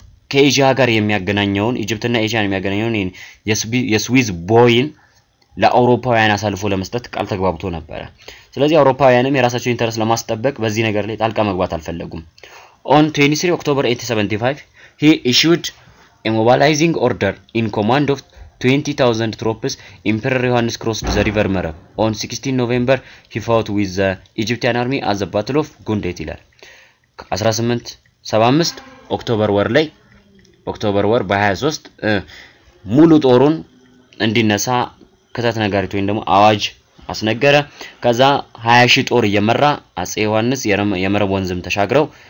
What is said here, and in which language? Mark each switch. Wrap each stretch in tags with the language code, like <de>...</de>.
<am>ከኤዥያ ጋር የሚያገናኘውን ኢጅፕትና ኤዥያን የሚያገናኘውን የስዊዝ ቦይን ለአውሮፓውያን አሳልፎ ለመስጠት ቃል ተግባብቶ ነበር። ስለዚህ አውሮፓውያንም የራሳቸውን ኢንተረስ ለማስጠበቅ በዚህ ነገር ላይ ጣልቃ መግባት አልፈለጉም።</am> <en>On 23 October 1875 he issued a mobilizing order in command of 20,000 troops Emperor Johannes crossed the river Mara. On 16 November he fought with the Egyptian army at the Battle of Gundet.</en> <am>1875 ኦክቶበር ወር ላይ ኦክቶበር ወር በ23 ሙሉ ጦሩን እንዲነሳ ከተተ ነጋሪት ወይንም ደግሞ አዋጅ አስነገረ። ከዛ 20 ሺህ ጦር እየመራ አጼ ዮሐንስ የመረብ ወንዝም ተሻግረው</am>